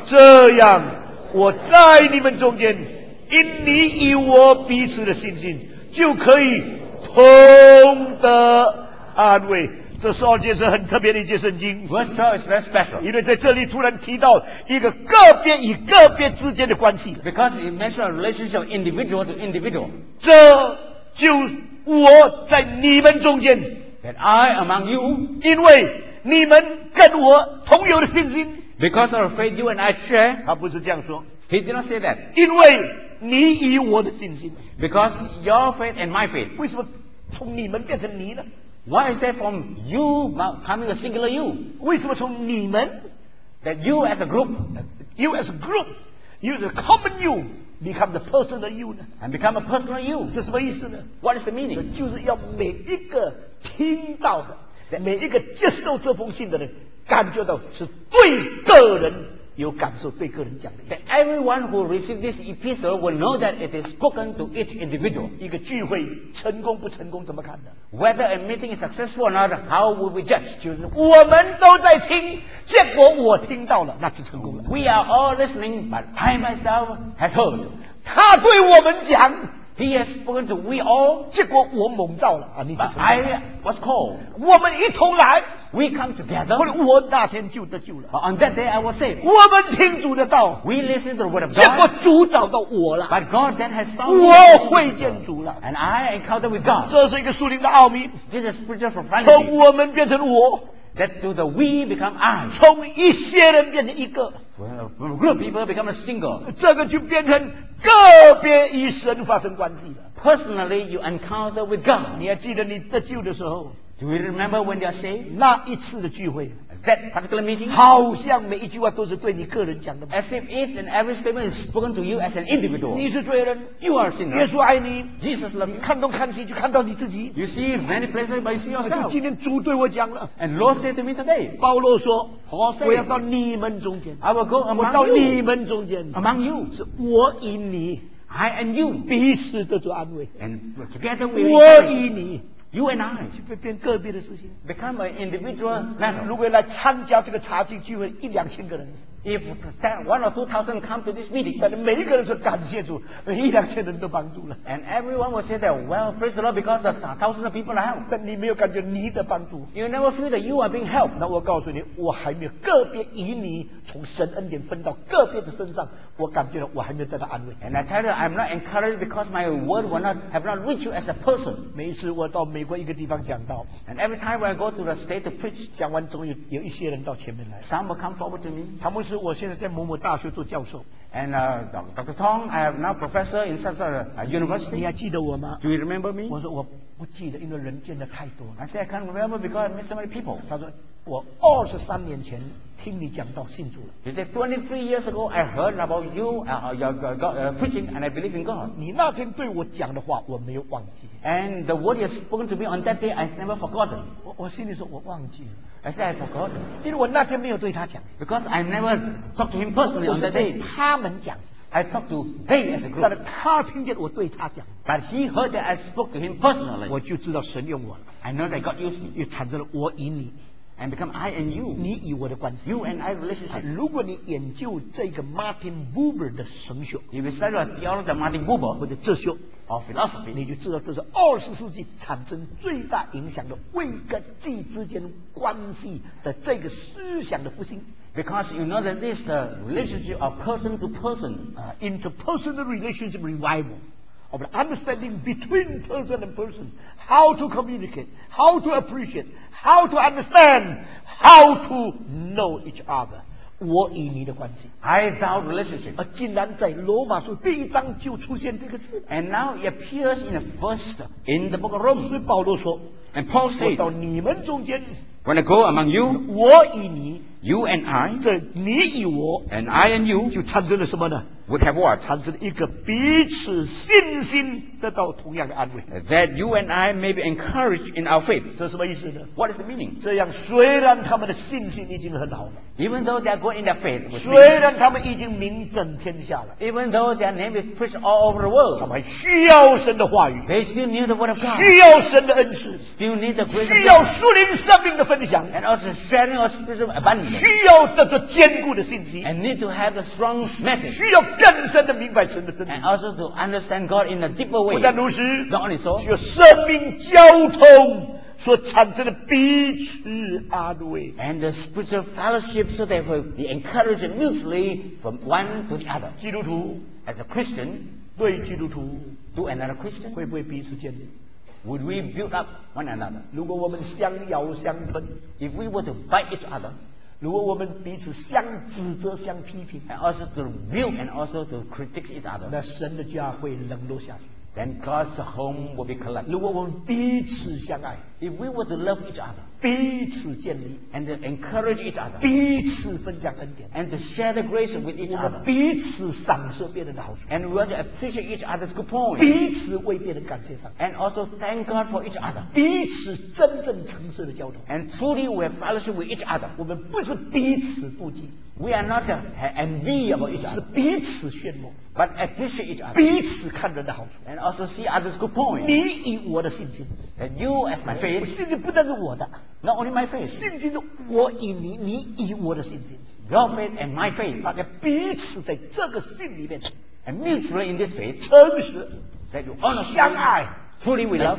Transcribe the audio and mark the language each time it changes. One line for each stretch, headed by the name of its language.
Chinese: 这样我在你们中间，因你与我彼此的信心，就可以同得安慰。这十二节是很特别的一节圣经。
English: Verse 12 is very special.
Chinese: 因为在这里突然提到一个个别与个别之间的关系。
English: Because it mentions a relationship individual to individual.
Chinese: 这就我在你们中间。
English: That I among you.
Chinese: 因为你们跟我同有的信心。
English: Because of our faith, you and I share.
Chinese: 他不是这样说。
English: He did not say that.
Chinese: 因为你与我的信心。
English: Because your faith and my faith.
Chinese: 为什么从你们变成你呢？
English: Why is that from you becoming a singular you?
Chinese: 为什么从你们？
English: That you as a group. You as a group. You as a common you. Become the personal you. And become a personal you.
Chinese: 这什么意思呢？
English: What is the meaning?
Chinese: 就是要每一个听到的， that、每一个接受这封信的人感觉到是对个人有感受，对个人讲的意思。
English: That everyone who received this epistle will know that it is spoken to each individual.
Chinese: 一个聚会成功不成功怎么看的？
English: Whether a meeting is successful or not, how will we judge?
Chinese: 就是我们都在听，结果我听到了，那就成功了。
English: We are all listening, but I myself has heard.
Chinese: 他对我们讲。
English: He has spoken to we all.
Chinese: 结果我蒙召了啊，你就成功了。
English: But I was called.
Chinese: 我们一同来。
English: We come together.
Chinese: 或者我那天就得救了。
English: But、on that day, I was saved.
Chinese: 我们听主的道。
English: We listen to the word of God.
Chinese: 结果主找到我了。
English: But God then has found me.
Chinese: 我会见主了。
English: And I encountered with God.
Chinese: 这是一个属灵的奥秘。
English: This is spiritual profundity.
Chinese: 从我们变成我。
English: That through the we become I.
Chinese: 从一些人变成一个。
English: Well, group people become a single.
Chinese: 这个就变成个别与神发生关系了。
English: Personally, you encounter with God.
Chinese: 你还记得你得救的时候？
English: Do you remember when you're saved?
Chinese: 那一次的聚会
English: that particular meeting,
Chinese: 好像每一句话都是对你个人讲的。
English: As if each and every statement is spoken to you as an individual.
Chinese: 你是罪人，
English: you are a sinner.
Chinese: 耶稣爱你，
English: Jesus loves you.
Chinese: 看东看西就看到你自己。
English: You see many places, but you see yourself.
Chinese: 今天主对我讲了。
English: And Lord said to me today.
Chinese: 保罗说，
English: Paul said,
Chinese: 我要到你们中间。
English: I will go among you.
Chinese: 我到你们中间。
English: Among you.
Chinese: 是我与你。
English: I and you.
Chinese: 彼此得着安慰。
English: And together we.
Chinese: 我与你。
English: You and I
Chinese: 就会变个别的事情
English: ，become an individual man。
Chinese: 如果来参加这个茶几聚会，一两千个人
English: ，if that one or two thousand come to this meeting，
Chinese: 但是每一个人说感谢主，一两千人都帮助了。
English: And everyone will say that, well, praise the Lord because the thousands of people help。
Chinese: 但你没有感觉你的帮助
English: ，you never feel that you are being helped。
Chinese: 那我告诉你，我还没有个别以你从神恩典分到个别的身上，我感觉到我还没有得到安慰。
English: And I tell you, I'm not encouraged because my word will not have not reached you as a person。
Chinese: 每次我到美国一个地方讲到
English: ，and every time when I go to the state to preach，
Chinese: 讲完总有一些人到前面来
English: ，some will come forward to me，
Chinese: 他们是我现在在某某大学做教授
English: ，and Dr. Tong， I am now professor in such a university。
Chinese: 你还记得我吗
English: ？Do you remember me？
Chinese: 我说我不记得，因为人见的太多了。
English: I said I can't remember because I met so many people。
Chinese: 他说我二十三年前听你讲到信主了。
English: He said 23 years ago I heard about you preaching and I believe in God。
Chinese: 你那天对我讲的话我没有忘记。
English: And the word you spoke to me on that day I never forgotten。
Chinese: 我心里说我忘记了。
English: I said I forgot。
Chinese: 因为我那天没有对他讲。
English: Because I never talked to him personally on that day。
Chinese: 他们讲。
English: I talked to they as a group。
Chinese: 但他听见我对他讲。
English: But he heard that I spoke to him personally。
Chinese: 我就知道神用我了。
English: I know that God used me。
Chinese: 也产生了我与你。
English: And become I and you.
Chinese: 你与我的关系。
English: You and I relationship.
Chinese: 如果你研究这个 Martin Buber 的神学
English: ，If you study the theology of Martin Buber
Chinese: 或者哲学
English: ，or philosophy，
Chinese: 你就知道这是二十世纪产生最大影响的位跟际之间关系的这个思想的复兴。
English: Because you know that this is the relationship of person to person, interpersonal relationship revival. Of the understanding between person and person, how to communicate, how to appreciate, how to understand, how to know each other.
Chinese: 我与你的关系
English: I thou relationship.
Chinese: 而竟然在罗马书第一章就出现这个字
English: And now it appears in the first in the book of Romans.
Chinese: 所以保罗说
English: And Paul said,
Chinese: 我到你们中间
English: When I go among you,
Chinese: 我与你
English: you and I,
Chinese: 这你与我
English: and I and you,
Chinese: 就产生了什么呢？
English: Would have what?
Chinese: 产生一个彼此信心得到同样的安慰。
English: That you and I may be encouraged in our faith.
Chinese: 这什么意思呢？
English: What is the meaning?
Chinese: 这样虽然他们的信心已经很好了。
English: Even though they are going in their faith.
Chinese: 虽然他们已经名震天下了。
English: Even though their name is preached all over the world.
Chinese: 他们还需要神的话语。
English: They still need the word of God.
Chinese: 需要神的恩赐。
English: Still need the grace of God.
Chinese: 需要属灵生命的分享。
English: And also sharing of spiritual abundance.
Chinese: 需要这座坚固的信心。
English: And need to have the strong message.
Chinese: 需要更深的明白神的真理
English: ，and also to understand God in a deeper way。
Chinese: 不但如此
English: ，not only so，
Chinese: 需要生命交通所产生的彼此安慰
English: ，and the spiritual fellowship so they will be encouraged mutually from one to the other。
Chinese: 基督徒
English: ，as a Christian，
Chinese: 对基督徒
English: ，to another Christian，
Chinese: 会不会彼此建立
English: ？Would we build up one another？
Chinese: 如果我们相咬相吞
English: ，if we were to bite each other。
Chinese: 如果我们彼此相指责、相批评
English: ，and also to rebuke and also to critique each other，
Chinese: 那神的家会冷落下去。
English: Then God's home will be collapsed。
Chinese: 如果我们彼此相爱
English: ，if we were to love each other，
Chinese: 彼此建立
English: ，and to encourage each other，
Chinese: 彼此分享恩典
English: ，and to share the grace with each other，
Chinese: 彼此赏赐别人的好处
English: ，and we want to appreciate each other's good points，
Chinese: 彼此为别人感谢上
English: ，and also thank God for each other，
Chinese: 彼此真正诚实的交通
English: ，and truly we have fellowship with each other，
Chinese: 我们不是彼此妒忌。
English: We are not envy about each other，
Chinese: 是彼此羡慕
English: ，but appreciate each other，
Chinese: 彼此看人的好处
English: ，and also see others good point。
Chinese: 你以我的信心
English: ，and you as my faith，
Chinese: 信心不但是我的
English: ，not only my faith，
Chinese: 信心是我以你，你以我的信心
English: ，your faith and my faith，
Chinese: 大家彼此在这个信里面
English: ，and mutually in this faith，
Chinese: 诚实
English: ，that you honestly
Chinese: 相爱
English: ，truly we love，